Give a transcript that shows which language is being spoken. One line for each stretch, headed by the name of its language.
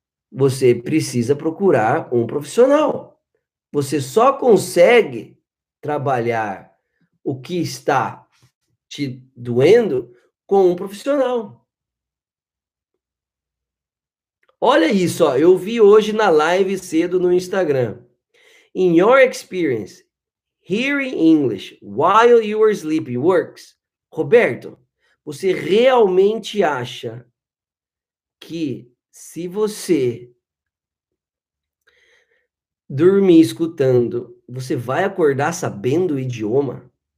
Portuguese: Você precisa procurar um profissional. Você só consegue trabalhar o que está te doendo com um profissional. Olha isso, ó. Eu vi hoje na live cedo no Instagram.
English: In your experience, hearing English while you are sleeping works.
Portuguese: Roberto, você realmente acha que se você dormir escutando, você vai acordar sabendo o idioma?